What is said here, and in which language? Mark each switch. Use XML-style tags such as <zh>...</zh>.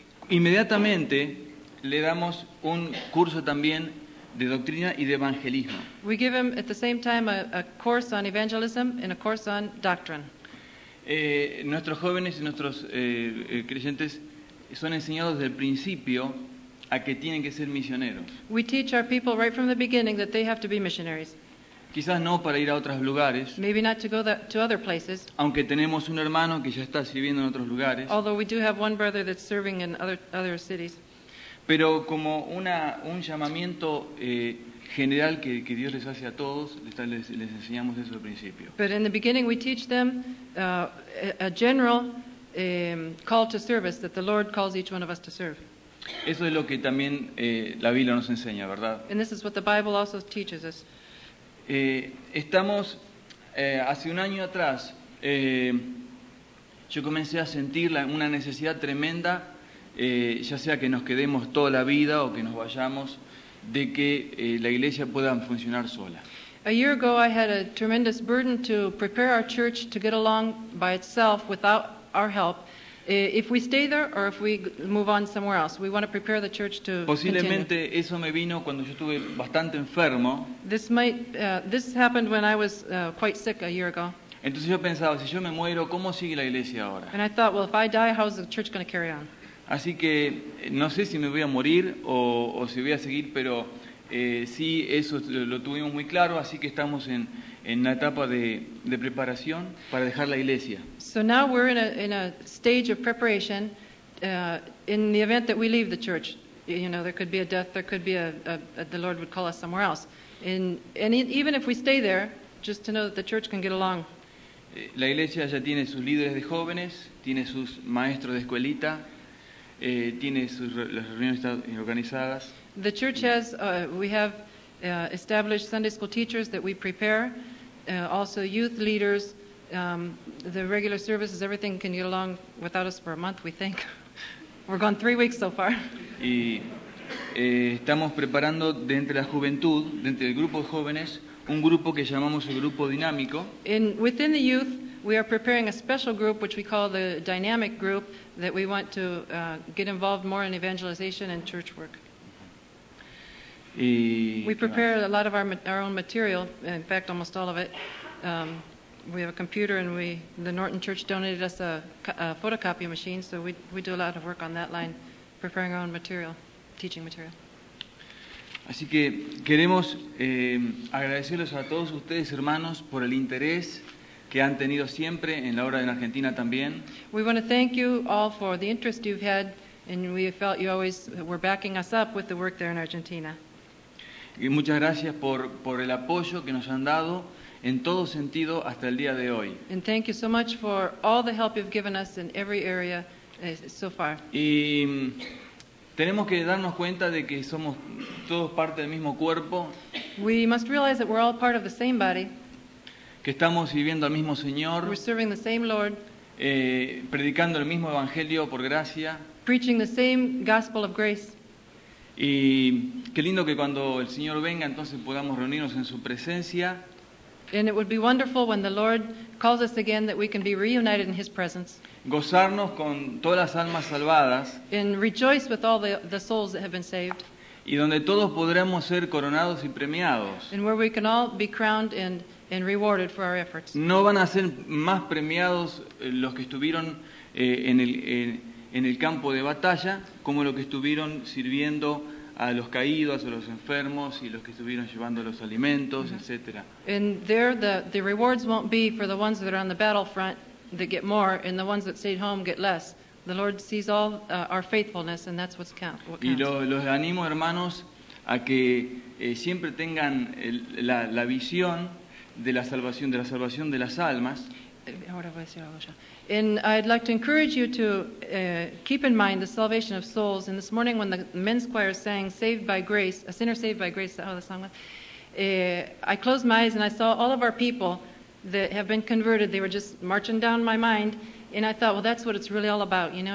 <es>Inmediatamente le damos un curso también de doctrina y de evangelismo.</es> <en>We give him at the same time a course on evangelism and a course on doctrine.</en> <es>Nuestros jóvenes y nuestros creyentes son enseñados desde el principio a que tienen que ser misioneros.</es> <en>We teach our people right from the beginning that they have to be missionaries.</en> <es>Quizás no para ir a otros lugares.</es> <en>Maybe not to go to other places.</en> <es>Aunque tenemos un hermano que ya está sirviendo en otros lugares.</es> <en>Although we do have one brother that's serving in other cities.</en> <es>Pero como un llamamiento general que Dios les hace a todos, les enseñamos eso al principio.</es> <en>But in the beginning we teach them a general call to service that the Lord calls each one of us to serve.</en> <es>Eso es lo que también la Biblia nos enseña, ¿verdad?</es> <en>And this is what the Bible also teaches us.</en> <es>Estamos hace un año atrás yo comencé a sentir una necesidad tremenda ya sea que nos quedemos toda la vida o que nos vayamos de que la iglesia pueda funcionar sola.</es> <en>A year ago I had a tremendous burden to prepare our church to get along by itself without our help. If we stay there or if we move on somewhere else, we want to prepare the church to</en> <es>posiblemente</es> <en>continue.</en> <es>Eso me vino cuando yo estuve bastante enfermo.</es> <en>This happened when I was quite sick a year ago.</en> <es>Entonces yo pensaba, si yo me muero, ¿cómo sigue la iglesia ahora?</es> <en>And I thought, well, if I die, how is the church going to carry on?</en> <es>Así que no sé si me voy a morir o si voy a seguir, pero sí, eso lo tuvimos muy claro, así que estamos en la etapa de preparación para dejar la iglesia.</es> <en>So now we're in a stage of preparation in the event that we leave the church. You know, there could be a death, there could be a the Lord would call us somewhere else. And even if we stay there, just to know that the church can get along.</en> <es>La iglesia ya tiene sus líderes de jóvenes, tiene sus maestros de escuelita. tiene sus las reuniones organizadas.</es> <en>The church has, we have established Sunday school teachers that we prepare, also youth leaders, the regular services, everything can get along without us for a month, we think. We're gone 3 weeks so far.</en> <es>Y estamos preparando dentro de la juventud, dentro del grupo de jóvenes, un grupo que llamamos el grupo dinámico.</es> <en>In, within the youth, we are preparing a special group, which we call the dynamic group, that we want to get involved more in evangelization and church work.</en> <es>Y</es> <en>we prepare a lot of our own material, in fact, almost all of it. We have a computer, and we the Norton Church donated us a photocopy machine, so we do a lot of work on that line, preparing our own material, teaching material.</en> <es>Así que queremos agradecerles a todos ustedes, hermanos, por el interés que han tenido siempre en la obra en Argentina también.</es> <en>We want to thank you all for the interest you've had, and we felt you always were backing us up with the work there in Argentina.</en> <es>Y muchas gracias por el apoyo que nos han dado en todo sentido hasta el día de hoy.</es> <en>And thank you so much for all the help you've given us in every area so far.</en> <es>Y tenemos que darnos cuenta de que somos todos parte del mismo cuerpo.</es> <en>We must realize that we're all part of the same body.</en> <es>Que estamos sirviendo al mismo Señor.</es> <en>We're serving the same Lord.</en> <es>Predicando el mismo evangelio por gracia.</es> <en>Preaching the same gospel of grace.</en> <es>Y qué lindo que cuando el Señor venga entonces podamos reunirnos en su presencia.</es> <en>And it would be wonderful when the Lord calls us again that we can be reunited in his presence.</en> <es>Gozarnos con todas las almas salvadas.</es> <en>And rejoice with all the souls that have been saved.</en> <es>Y donde todos podremos ser coronados y premiados.</es> <en>And where we can all be crowned and rewarded for our efforts.</en> <es>No van a ser más premiados los que estuvieron en el campo de batalla como los que estuvieron sirviendo a los caídos, a los enfermos y los que estuvieron llevando los alimentos, etcétera.</es> <en>And there the rewards won't be for the ones that are on the battlefront that get more and the ones that stayed home get less. The Lord sees all our faithfulness and that's what's count, what counts.</en> <es>Y los animo, hermanos, a que siempre tengan la visión de la salvación de las almas. Ahora voy a decir algo ya.</es> <en>And I'd like to encourage you to keep in mind the salvation of souls. And this morning when the men's choir sang Saved by Grace, A Sinner Saved by Grace, that's how the song was. I closed my eyes and I saw all of our people that have been converted. They were just marching down my mind. And I thought, well, that's what it's really all about, you know.</en>